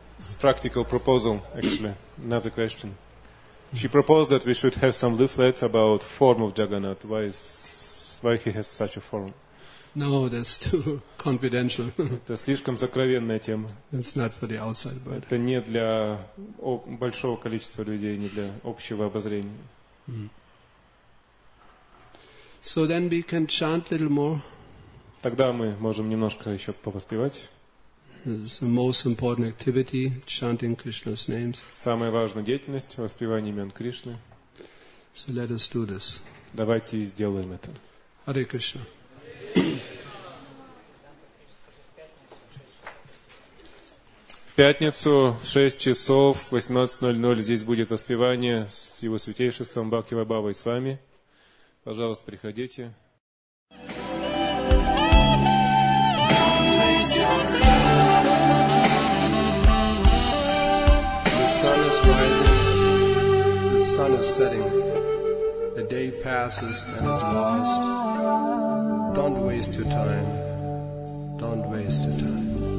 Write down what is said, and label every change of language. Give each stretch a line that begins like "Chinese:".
English: It's a practical proposal, actually, not a question. She proposed that we should have some leaflet about form of Jagannath. Why he has such a form? No, that's too confidential.
Russian: Это слишком закровенная тема.
English: It's not for the outside world.
Russian: Это не для большого количества людей, не для общего обозрения.
English: So then we can chant a little more.
Russian: Тогда мы можем немножко еще повоспевать.
English: The most important activity, chanting Krishna's names.
Russian: Самая важная деятельность — воспевание имен Кришны.
English: So let us do this.
Russian: Давайте сделаем это.
English: Hare Krishna.
Russian: В пятницу в 6 часов 18:00 здесь будет воспевание с его святейшеством Бхакти Вайбавой с вами. Пожалуйста, приходите.
English: The sun is rising, the sun is setting. The day passes and is lost. Don't waste your time. Don't waste your time.